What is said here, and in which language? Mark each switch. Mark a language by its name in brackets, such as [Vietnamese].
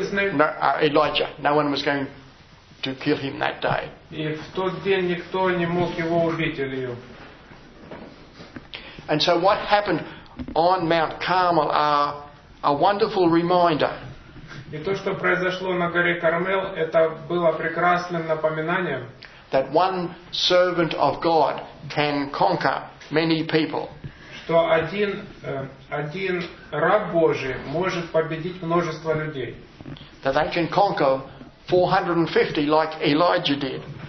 [English] Elijah. No one was going to kill him that day. [Russian] В тот день никто не мог его убить, Илью. [English] And so what happened on Mount Carmel are a wonderful reminder. [Russian] И то, что произошло на горе Кармел, это было прекрасным напоминанием. [English] That one servant of God can conquer many people. [Russian] Что один раб Божий может победить множество людей. [English] That they can conquer 450 like Elijah did.